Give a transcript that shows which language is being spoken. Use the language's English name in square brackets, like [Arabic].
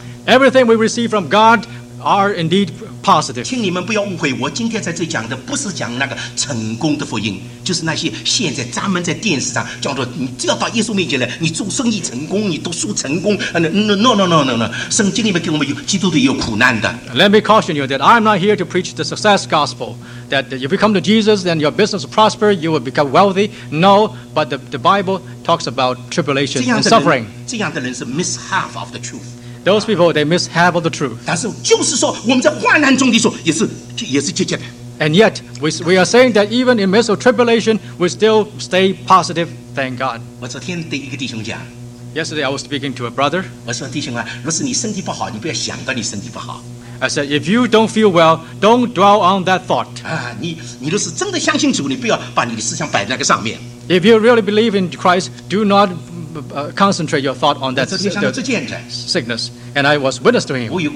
[English] Everything we receive from God are indeed positive. [Chinese] 请你们不要误会，我今天在这讲的不是讲那个成功的福音，就是那些现在咱们在电视上叫做你只要到耶稣面前来，你做生意成功，你读书成功。 [English] No. [Chinese] 圣经里面给我们有基督徒有苦难的。 [English] Let me caution you that I'm not here to preach the success gospel. That if you come to Jesus, then your business will prosper, you will become wealthy. No, but the Bible talks about tribulation and suffering. [Chinese] 这样的人是 [English] miss half of the truth. Those people, they miss half of the truth. [Chinese] 但是就是说我们在患难中的时候也是积极的。 [English] And yet, we are saying that even in the midst of tribulation, we still stay positive, thank God. [Chinese] 我昨天对一个弟兄讲。 [English] Yesterday, I was speaking to a brother. [Chinese] 我说弟兄啊，若是你身体不好，你不要想到你身体不好。 [English] I said, if you don't feel well, don't dwell on that thought. [Chinese] 你若是真的相信主，你不要把你的思想摆在那个上面。 [English] If you really believe in Christ, do notconcentrate your thought on that sickness. And I was witness to him.